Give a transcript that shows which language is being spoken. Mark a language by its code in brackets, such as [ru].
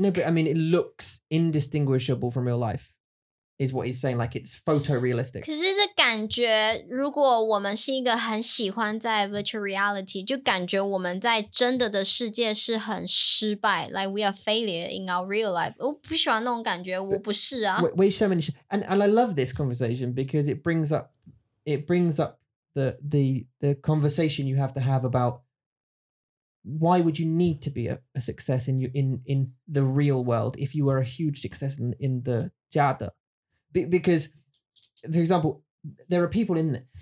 [en] No, but I mean, it looks indistinguishable from real life, is what he's saying. Like, it's photorealistic. [zh] 可是这感觉,如果我们是一个很喜欢在 [en] virtual reality, [zh] 就感觉我们在真的的世界是很失败。 [en] Like, we are failure in our real life. [zh] 我不喜欢那种感觉,我不是啊。为什么你是... [en] And I love this conversation because it brings up the conversation you have to have about... Why would you need to be a success in the real world if you were a huge success in the 家的 Because, for example, there are people in there.